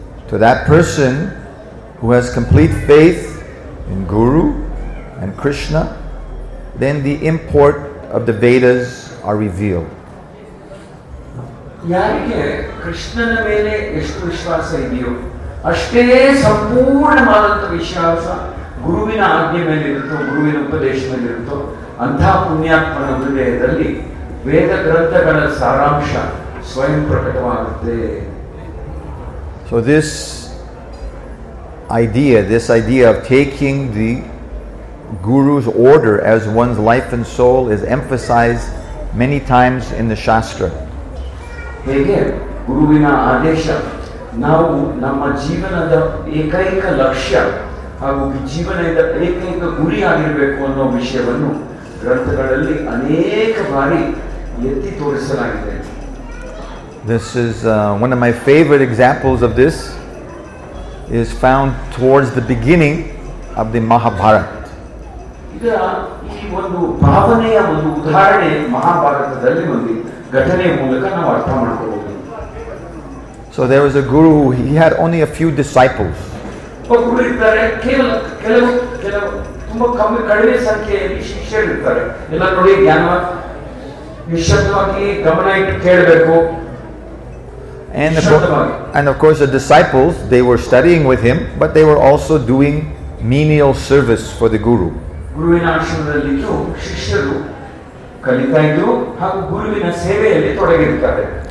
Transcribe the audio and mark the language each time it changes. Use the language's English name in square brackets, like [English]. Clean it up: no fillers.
[English] To that person who has complete faith in Guru and Krishna, then the import of the Vedas are revealed. [Kannada] ಯಾರಿಗೆ ಕೃಷ್ಣನ ಮೇಲೆ ಎಷ್ಟು ವಿಶ್ವಾಸ ಇದೆಯೋ ಅಷ್ಟೇ ಸಂಪೂರ್ಣವಾದಂತಹ ವಿಶ್ವಾಸ ಗುರುವಿನ ಆಜ್ಞೆ ಮೇಲಿರುತ್ತೋ, ಗುರುವಿನ ಉಪದೇಶದಲ್ಲಿರುತ್ತೋ, ಅಂತಹ ಪುಣ್ಯಾತ್ಮನ ಹೃದಯದಲ್ಲಿ ವೇದ ಗ್ರಂಥಗಳ ಸಾರಾಂಶ ಸ್ವಯಂ ಪ್ರಕಟವಾಗುತ್ತೆ. [English] So this idea of taking the guru's order as one's life and soul is emphasized many times in the Shastra. [Kannada] ಹೇಗೆ ಗುರುವಿನ ಆದೇಶ ನಾವು ನಮ್ಮ ಜೀವನದ ಏಕೈಕ ಲಕ್ಷ್ಯ ಹಾಗೂ ಜೀವನದ ಏಕೈಕ ಗುರಿ ಆಗಿರಬೇಕು ಅನ್ನೋ ವಿಷಯವನ್ನು ಗ್ರಂಥಗಳಲ್ಲಿ ಅನೇಕ ಬಾರಿ ಎತ್ತಿ ತೋರಿಸಲಾಗಿದೆ. [English] This is one of my favorite examples of this is found towards the beginning of the Mahabharata. [Kannada] ಈ ಒಂದು ಭಾವನೆಯ ಒಂದು ಉದಾಹರಣೆ ಮಹಾಭಾರತದಲ್ಲಿ ಒಂದು ಘಟನೆಯ ಮೂಲಕ ನಾವು ಅರ್ಥ ಮಾಡಿಕೊಳ್ಳಬಹುದು. [English] So there was a guru, he had only a few disciples. [Kannada] ಗುರು ಇರ್ತಾರೆ, ಕೆಲವು ತುಂಬಾ ಕಡಿಮೆ ಸಂಖ್ಯೆಯಲ್ಲಿ ಶಿಷ್ಯರು ಇರ್ತಾರೆ. ಎಲ್ಲ ನೋಡಿ ಜ್ಞಾನವಾಗಿ ನಿಶ್ಚಿತವಾಗಿ ಗಮನ ಇಟ್ಟು ಕೇಳಬೇಕು. [English] And of course the disciples, they were studying with him, but they were also doing menial service for the guru. [Kannada] ಗುರುವಿನ ಆಶ್ರಮದಲ್ಲಿ ಶಿಷ್ಯರು ಕಲಿತಾ ಇದ್ರು ಹಾಗೂ ಗುರುವಿನ ಸೇವೆಯಲ್ಲಿ ತೊಡಗಿರುತ್ತಾರೆ.